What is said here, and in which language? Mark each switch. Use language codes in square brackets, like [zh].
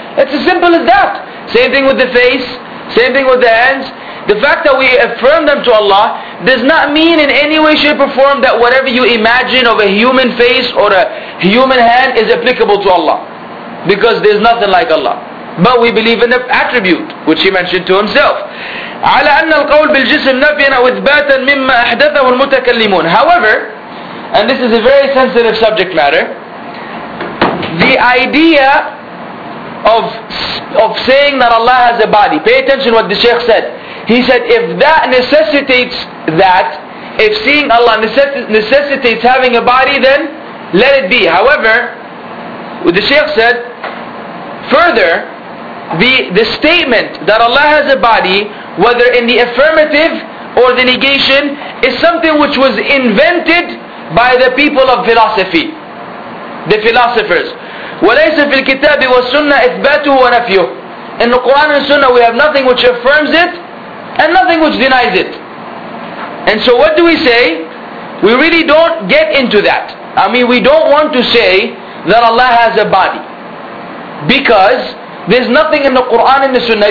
[en] It's as simple as that. Same thing with the face, same thing with the hands. The fact that we affirm them to Allah does not mean in any way, shape or form that whatever you imagine of a human face or a human hand is applicable to Allah. Because there's nothing like Allah. But we believe in the attribute which He mentioned to Himself. [ar] على أن القول بالجسم نفياً أو إثباتاً مما أحدثه المتكلمون. [en] However, and this is a very sensitive subject matter, the idea of saying that Allah has a body, pay attention to what the Shaykh said. He said, if that necessitates that, if seeing Allah necessitates having a body, then let it be. However, the Shaykh said, further, the statement that Allah has a body, whether in the affirmative or the negation, is something which was invented by the people of philosophy, the philosophers. [ar] وليس في الكتاب والسنة إثباته ونفيه. [en] In the Quran and Sunnah, we have nothing which affirms it and nothing which denies it. And so what do we say? We really don't get into that. I mean, we don't want to say that Allah has a body, because there's nothing in the Quran and the Sunnah.